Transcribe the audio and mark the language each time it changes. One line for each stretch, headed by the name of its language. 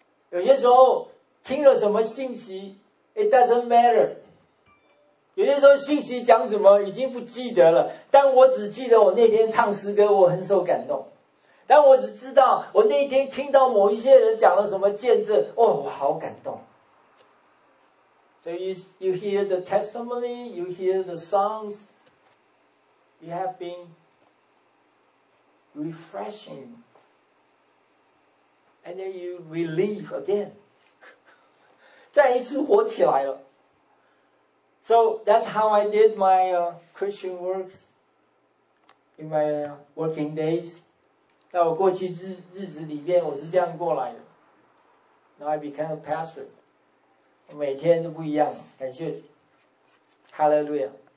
Chinese: 有些时候听了什么信息
English: It doesn't matter,
Chinese: 有些时候信息讲什么已经不记得了，但我只记得我那天唱诗歌我很受感动，但我只知道我那天听到某一些人讲了什么见证，哦，我好感动。
English: So you hear the testimony, you hear the songs, you have been refreshingAnd then you relieve again.
Chinese: 再一次活起来了。
English: So that's how I did my Christian works in my working days.
Chinese: 那我过去 日子里面我是这样过来的。
English: Now I became a pastor.
Chinese: 每天都不一样，感谢。
English: Hallelujah.